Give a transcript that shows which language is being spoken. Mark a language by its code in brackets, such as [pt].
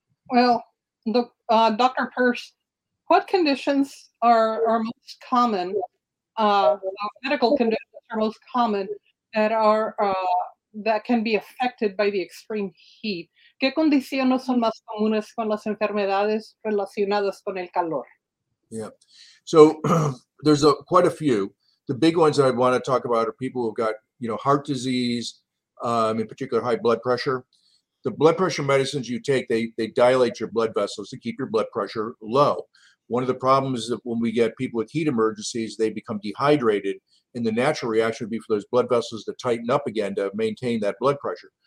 [en] Well, Dr. Peirce, what conditions are most common, medical conditions are most common that are that can be affected by the extreme heat? [es] ¿Qué condiciones son más comunes con las enfermedades relacionadas con el calor? [en] Yeah, so there's quite a few. The big ones that I want to talk about are people who've got, you know, heart disease, in particular high blood pressure. The blood pressure medicines you take, they dilate your blood vessels to keep your blood pressure low. One of the problems is that when we get people with heat emergencies, they become dehydrated, and the natural reaction would be for those blood vessels to tighten up again to maintain that blood pressure.